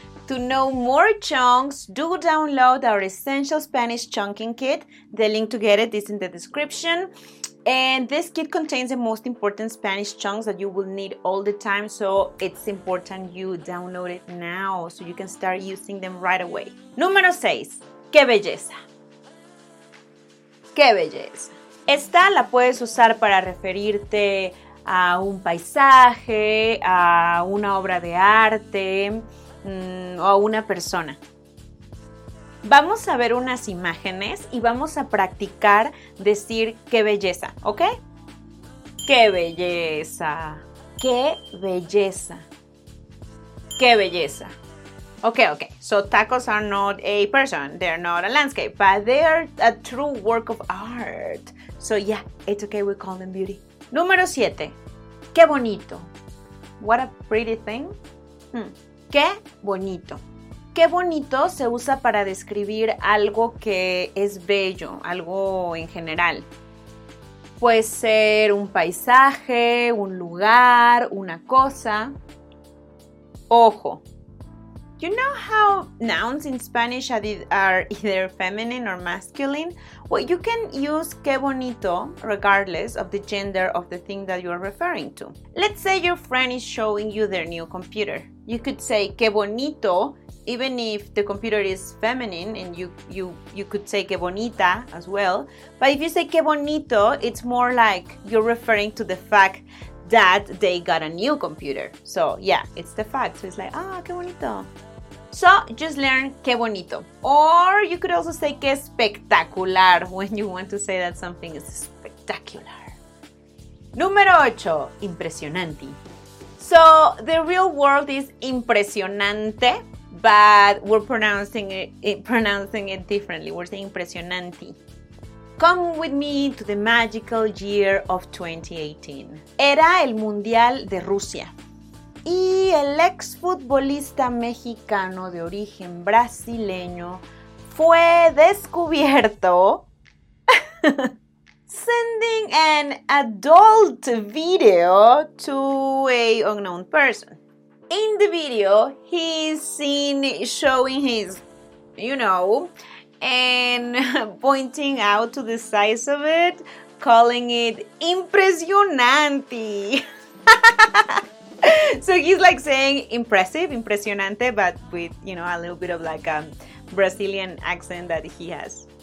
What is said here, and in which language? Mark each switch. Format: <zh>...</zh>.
<en>To know more chunks, do download our Essential Spanish Chunking Kit. The link to get it is in the description. And this kit contains the most important Spanish chunks that you will need all the time. So it's important you download it now so you can start using them right away.</en> <es>Número 6. Qué belleza. Qué belleza. Esta la puedes usar para referirte a un paisaje, a una obra de arte, o a una persona. Vamos a ver unas imágenes y vamos a practicar decir qué belleza, ¿ok? ¡Qué belleza! ¡Qué belleza! ¡Qué belleza! Ok.</es> <en>So tacos are not a person, they're not a landscape, but they are a true work of art. So yeah, it's okay, we call them beauty.</en> <es>Número 7. ¡Qué bonito!</es> <en>What a pretty thing.</en> <es>¡Qué bonito! ¡Qué bonito! Se usa para describir algo que es bello, algo en general. Puede ser un paisaje, un lugar, una cosa. Ojo.</es> <en>You know how nouns in Spanish are either feminine or masculine? Well, you can use</en> <es>qué bonito</es> <en>regardless of the gender of the thing that you are referring to. Let's say your friend is showing you their new computer. You could say</en> <es>qué bonito,</es> <en>even if the computer is feminine, and you could say</en> <es>qué bonita</es> <en>as well. But if you say</en> <es>qué bonito,</es> <en>it's more like you're referring to the fact that they got a new computer. So yeah, it's the fact. So it's like,</en> <es>ah, qué bonito.</es> <en>So just learn</en> <es>qué bonito.</es> <en>Or you could also say</en> <es>qué espectacular</es> <en>when you want to say that something is spectacular.</en> <es>Número 8,</es> <en>impresionante. So the real world is impresionante, but we're pronouncing it differently. We're saying impresionante. Come with me to the magical year of 2018.</en> <es>Era el Mundial de Rusia. Y el exfutbolista mexicano de origen brasileño fue descubierto</es> <en>sending an adult video to a unknown person. In the video, he's seen showing his, you know, and pointing out to the size of it, calling it impresionante. So he's like saying impressive, impresionante, but with, you know, a little bit of like a Brazilian accent that he has.</en>